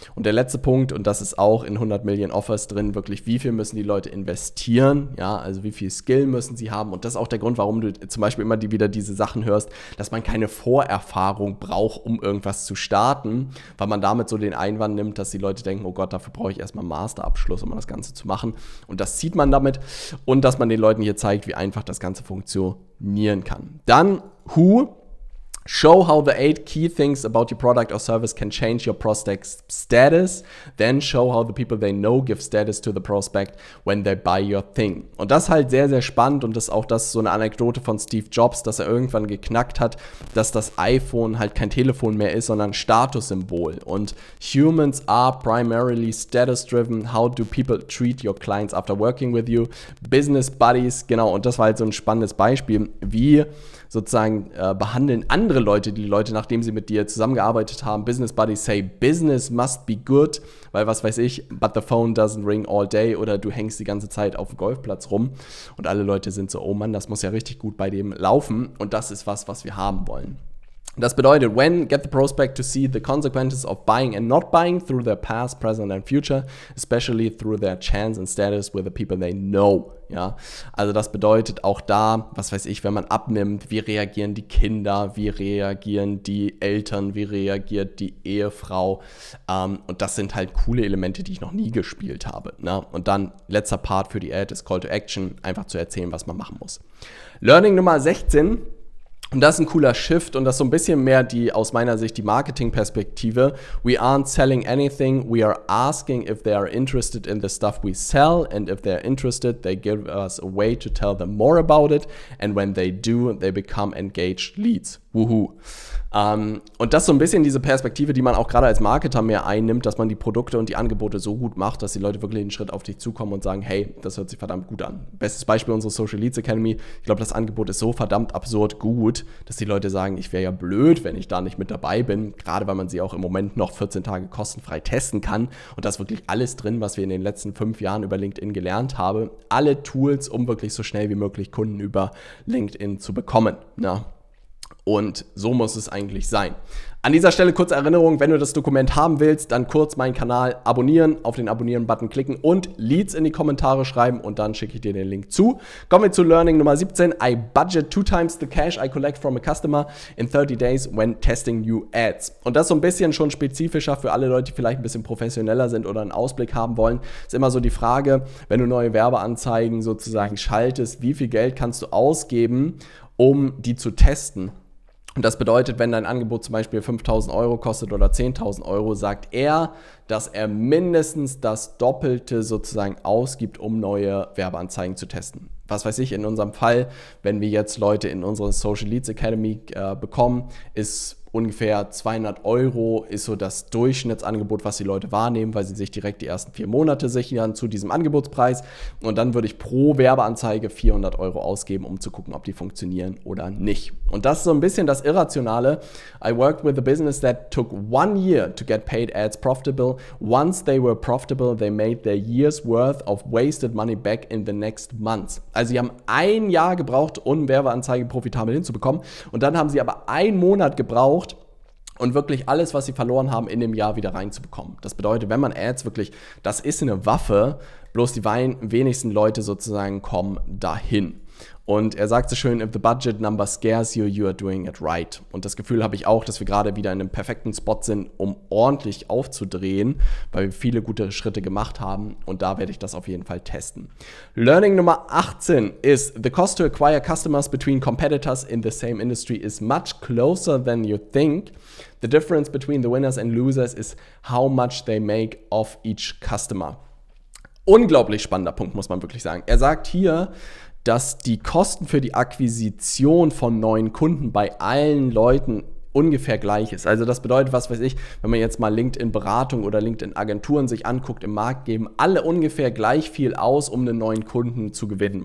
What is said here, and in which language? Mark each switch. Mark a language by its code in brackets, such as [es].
[de] Und der letzte Punkt, und das ist auch in 100 Millionen Offers drin, wirklich, wie viel müssen die Leute investieren, ja, also wie viel Skill müssen sie haben, und das ist auch der Grund, warum du zum Beispiel immer wieder diese Sachen hörst, dass man keine Vorerfahrung braucht, um irgendwas zu starten, weil man damit so den Einwand nimmt, dass die Leute denken, oh Gott, dafür brauche ich erstmal einen Masterabschluss, um das Ganze zu machen, und das sieht man damit, und dass man den Leuten hier zeigt, wie einfach das Ganze funktionieren kann. Dann, [en] who? Show how the 8 key things about your product or service can change your prospect's status. Then show how the people they know give status to the prospect when they buy your thing. [de] Und das ist halt sehr, sehr spannend, und das ist auch das so eine Anekdote von Steve Jobs, dass er irgendwann geknackt hat, dass das iPhone halt kein Telefon mehr ist, sondern ein Statussymbol. Und [en] humans are primarily status driven. How do people treat your clients after working with you? [de] Business buddies, genau. Und das war halt so ein spannendes Beispiel, wie sozusagen behandeln andere Leute, die Leute, nachdem sie mit dir zusammengearbeitet haben. [en] Business Buddies say, business must be good, [de] weil was weiß ich, [en] but the phone doesn't ring all day, [de] oder du hängst die ganze Zeit auf dem Golfplatz rum und alle Leute sind so, oh Mann, das muss ja richtig gut bei dem laufen, und das ist was, was wir haben wollen. Das bedeutet, [en] when get the prospect to see the consequences of buying and not buying through their past, present and future, especially through their chance and status with the people they know. [de] Ja, also das bedeutet auch da, was weiß ich, wenn man abnimmt, wie reagieren die Kinder, wie reagieren die Eltern, wie reagiert die Ehefrau, und das sind halt coole Elemente, die ich noch nie gespielt habe, ne? Und dann letzter Part für die Ad ist Call to Action, einfach zu erzählen, was man machen muss. Learning Nummer 16. Und das ist ein cooler Shift, und das ist so ein bisschen mehr die, aus meiner Sicht, die Marketing-Perspektive. [en] We aren't selling anything, we are asking if they are interested in the stuff we sell, and if they are interested, they give us a way to tell them more about it, and when they do, they become engaged leads. Woohoo. [de] Und das ist so ein bisschen diese Perspektive, die man auch gerade als Marketer mehr einnimmt, dass man die Produkte und die Angebote so gut macht, dass die Leute wirklich einen Schritt auf dich zukommen und sagen, hey, das hört sich verdammt gut an. Bestes Beispiel, unsere Social Leads Academy. Ich glaube, das Angebot ist so verdammt absurd gut, dass die Leute sagen, ich wäre ja blöd, wenn ich da nicht mit dabei bin, gerade weil man sie auch im Moment noch 14 Tage kostenfrei testen kann, und da ist wirklich alles drin, was wir in den letzten 5 Jahren über LinkedIn gelernt haben. Alle Tools, um wirklich so schnell wie möglich Kunden über LinkedIn zu bekommen. Ja. Und so muss es eigentlich sein. An dieser Stelle kurze Erinnerung, wenn du das Dokument haben willst, dann kurz meinen Kanal abonnieren, auf den Abonnieren-Button klicken und Leads in die Kommentare schreiben, und dann schicke ich dir den Link zu. Kommen wir zu Learning Nummer 17. [en] I budget 2 times the cash I collect from a customer in 30 days when testing new ads. [de] Und das ist so ein bisschen schon spezifischer für alle Leute, die vielleicht ein bisschen professioneller sind oder einen Ausblick haben wollen. Ist immer so die Frage, wenn du neue Werbeanzeigen sozusagen schaltest, wie viel Geld kannst du ausgeben, um die zu testen? Und das bedeutet, wenn dein Angebot zum Beispiel 5.000 Euro kostet oder 10.000 Euro, sagt er, dass er mindestens das Doppelte sozusagen ausgibt, um neue Werbeanzeigen zu testen. Was weiß ich, in unserem Fall, wenn wir jetzt Leute in unsere Social Leads Academy bekommen, ist ungefähr 200 Euro ist so das Durchschnittsangebot, was die Leute wahrnehmen, weil sie sich direkt die ersten 4 Monate sichern zu diesem Angebotspreis. Und dann würde ich pro Werbeanzeige 400 Euro ausgeben, um zu gucken, ob die funktionieren oder nicht. Und das ist so ein bisschen das Irrationale. [en] I worked with a business that took 1 year to get paid ads profitable. Once they were profitable, they made their year's worth of wasted money back in the next months. [de] Also sie haben 1 Jahr gebraucht, um Werbeanzeige profitabel hinzubekommen. Und dann haben sie aber 1 Monat gebraucht, und wirklich alles, was sie verloren haben, in dem Jahr wieder reinzubekommen. Das bedeutet, wenn man Ads wirklich, das ist eine Waffe, bloß die wenigsten Leute sozusagen kommen dahin. Und er sagt so schön, [en] if the budget number scares you, you are doing it right. [de] Und das Gefühl habe ich auch, dass wir gerade wieder in einem perfekten Spot sind, um ordentlich aufzudrehen, weil wir viele gute Schritte gemacht haben. Und da werde ich das auf jeden Fall testen. Learning Nummer 18 ist, [en] the cost to acquire customers between competitors in the same industry is much closer than you think. The difference between the winners and losers is how much they make off each customer. [de] Unglaublich spannender Punkt, muss man wirklich sagen. Er sagt hier, dass die Kosten für die Akquisition von neuen Kunden bei allen Leuten ungefähr gleich ist. Also das bedeutet, was weiß ich, wenn man jetzt mal LinkedIn-Beratung oder LinkedIn-Agenturen sich anguckt im Markt, geben alle ungefähr gleich viel aus, um einen neuen Kunden zu gewinnen.